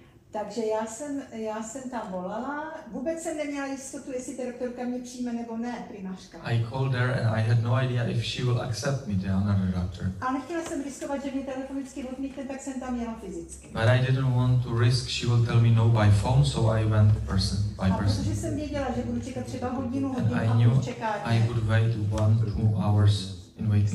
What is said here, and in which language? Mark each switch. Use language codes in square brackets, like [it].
[cs] Takže já jsem tam volala, vůbec jsem neměla jistotu, jestli ta doktorka mě přijme nebo ne, primářka. [en] I called her and I had no idea if she will accept me, the another doctor. [cs] A nechtěla jsem riskovat, že mě telefonicky odmítne, tak jsem tam jela fyzicky. [en] But I didn't want to risk, she will tell me no by phone, so I went person. [cs] A protože jsem věděla, že budu čekat třeba hodinu v čekárně. [en] I would wait 1-2 hours in waiting